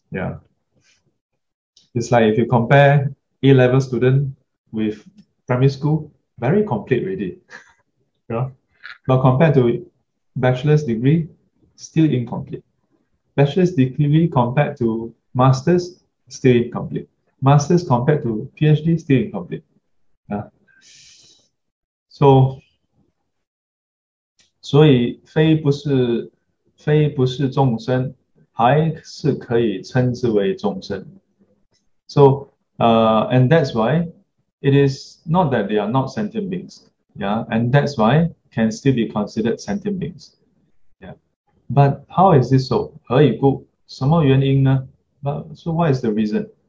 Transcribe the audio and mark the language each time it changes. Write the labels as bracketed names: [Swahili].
[English] yeah. It's like if you compare A-level student with primary school, very complete already. Yeah. But compared to bachelor's degree, still incomplete. Bachelor's degree compared to master's, still incomplete. Master's compared to PhD, still incomplete. Yeah. [Chinese] So, 所以非不是众生, 还是可以称之为众生. [English] So, and that's why it is not that they are not sentient beings. Yeah, and that's why can still be considered sentient beings. Yeah. But how is this so? [Chinese] 何以故?什么原因呢? [English] But, so what is the reason?